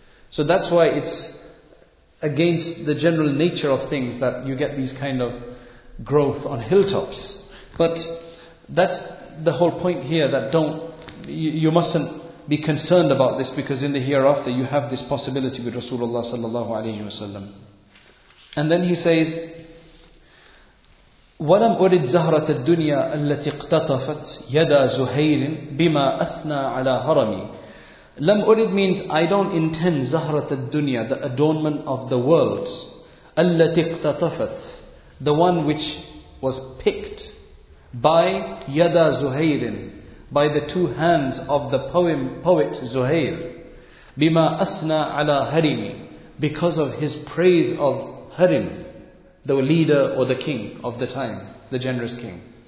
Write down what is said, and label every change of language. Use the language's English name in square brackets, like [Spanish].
[English] So that's why it's against the general nature of things that you get these kind of growth on hilltops. But that's the whole point here, that you mustn't be concerned about this, because in the hereafter you have this possibility with Rasulullah sallallahu alayhi wa sallam. And then he says, [Arabic] وَلَمْ أُرِدْ زَهْرَةَ الدُّنْيَا الَّتِي اقْتَطَفَتْ يَدَى زُهَيْرٍ بِمَا أَثْنَى عَلَى هَرَمِي. لَمْ أُرِدْ [English] means, I don't intend [Arabic] زَهْرَةَ الدُّنْيَا, [English] the adornment of the world, [Arabic] الَّتِي اقْتَطَفَتْ, [English] the one which was picked, by [Arabic] يَدَى زُهَيْرٍ, [English] by the two hands of the poet Zuhair, [Arabic] بِمَا أَثْنَى عَلَى هَرِمِي, [English] because of his praise of Harim, the leader or the king of the time, the generous king.